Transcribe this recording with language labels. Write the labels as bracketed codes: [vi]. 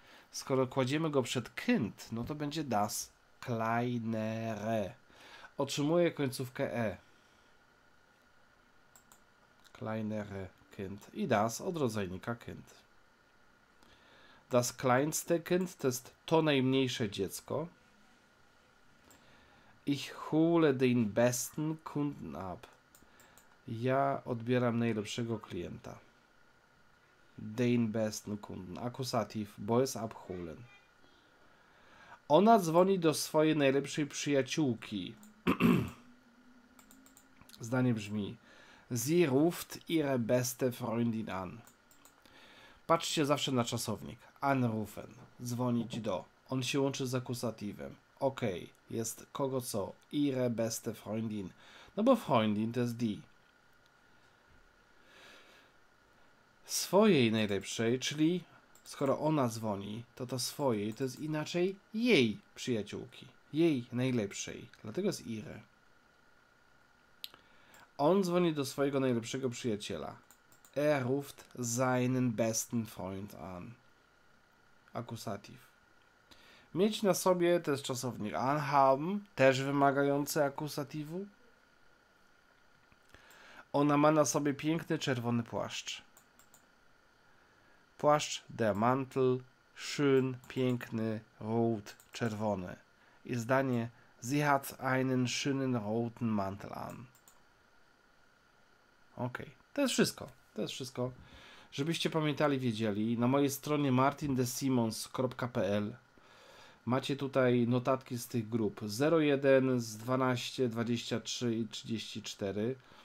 [pl] Skoro kładziemy go przed Kind, no to będzie [de] das kleinere. [pl] Otrzymuje końcówkę e. [de] Kleinere. Kind [pl] i [de] das [pl] od rodzajnika [de] Kind. Das kleinste Kind [pl] to jest to najmniejsze dziecko. [de] Ich hole den besten Kunden ab. [pl] Ja odbieram najlepszego klienta. [de] Den besten Kunden. [pl] Akkusativ, bo jest abholen. Ona dzwoni do swojej najlepszej przyjaciółki. Zdanie brzmi: [de] Sie ruft ihre beste Freundin an. [pl] Patrzcie zawsze na czasownik. Anrufen. Dzwonić do. On się łączy z akusatywem. Ok. Jest kogo co? [de] Ihre beste Freundin. [pl] No bo [de] Freundin [pl] to jest [de] die. [pl] Swojej najlepszej, czyli skoro ona dzwoni, to ta swojej to jest inaczej jej przyjaciółki. Jej najlepszej. Dlatego jest ihre. On dzwoni do swojego najlepszego przyjaciela. [de] Er ruft seinen besten Freund an. Akkusativ. [pl] Mieć na sobie, to jest czasownik anhaben, też wymagający akkusatywu. Ona ma na sobie piękny czerwony płaszcz. Płaszcz, der Mantel, schön, piękny, rot, czerwony. I zdanie, [de] sie hat einen schönen roten Mantel an. [pl] Ok, to jest wszystko, żebyście pamiętali, wiedzieli. Na mojej stronie martindesimons.pl macie tutaj notatki z tych grup 01, z 12, 23 i 34.